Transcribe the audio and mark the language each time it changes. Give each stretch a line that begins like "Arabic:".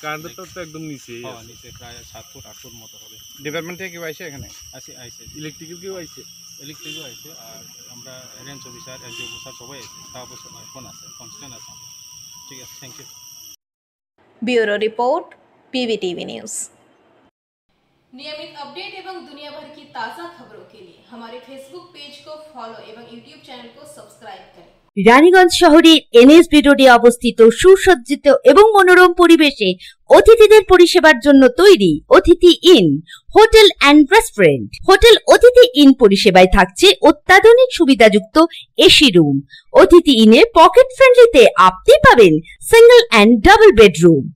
Bangla: কারেন্টের তো একদম নিচে নিচে প্রায় 7-8 ফুট মতো হবে ডিপার্টমেন্টে কেউ আইসে এখানে আসে আইসে ইলেকট্রিক কেউ আইসে ইলেকট্রিক আইসে আর আমরা রেঞ্জ অফিসার এনজিও অফিসার সবাই আছে তারপর সবাই ফোন আছে কনস্ট্যান্ট আছে ঠিক আছে thank you
English: bureau report PVTV news
Hindi: नियमित अपडेट एवं दुनिया भर की ताजा खबरों के लिए हमारे फेसबुक पेज को फॉलो एवं यूट्यूब चैनल को सब्सक्राइब करें।
Bangla: রানীগঞ্জ শহরের এনএসবি রোডে অবস্থিত সুসজ্জিত এবং মনোরম পরিবেশে অতিথিদের পরিষেবার জন্য তৈরি অতিথি in hotel and restaurant. Hotel অতিথি ইন পরিষেবায় থাকছে অত্যাধুনিক সুবিধাযুক্ত এসি রুম। অতিথি ইনে পকেট ফ্রেন্ডলিতে আপনি পাবেন সিঙ্গল এন্ড ডাবল বেডরুম।